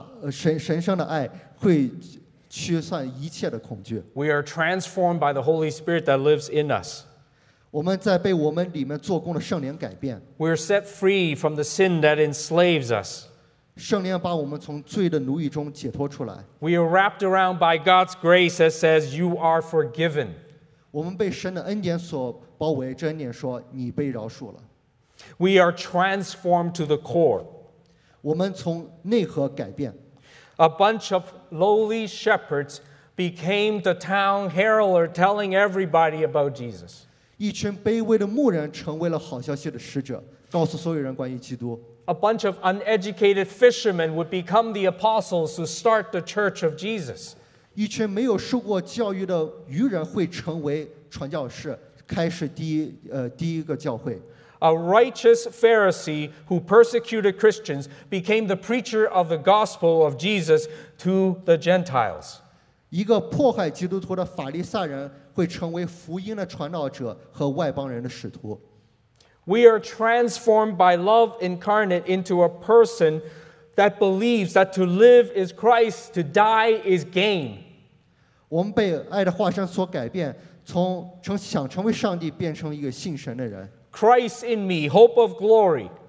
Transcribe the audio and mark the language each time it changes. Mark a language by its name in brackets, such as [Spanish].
[Chinese] 神圣的爱会驱散一切的恐惧。 [English] We are transformed by the Holy Spirit that lives in us. [Chinese] 我们在被我们里面做工的圣灵改变。 [English] We are set free from the sin that enslaves us. [Chinese] 圣灵把我们从罪的奴役中解脱出来。 [English] We are wrapped around by God's grace that says you are forgiven. [Chinese] 我们被神的恩典所包围，这恩典说你被饶恕了。 [English] We are transformed to the core. [Chinese] 我们从内核改变。 [English] A bunch of lowly shepherds became the town herald telling everybody about Jesus. [Chinese] 一群卑微的牧人成为了好消息的使者，告诉所有人关于基督。 [English] A bunch of uneducated fishermen would become the apostles who start the church of Jesus. [Chinese] 一群没有受过教育的渔人会成为传教士，开始第一个教会。 [English] A righteous Pharisee who persecuted Christians became the preacher of the gospel of Jesus to the Gentiles. [Chinese] 一个迫害基督徒的法利赛人会成为福音的传道者和外邦人的使徒。 [English] We are transformed by love incarnate into a person that believes that to live is Christ, to die is gain. [Chinese] 我们被爱的化身所改变，从想成为上帝变成一个信神的人。 [English] Christ in me, hope of glory.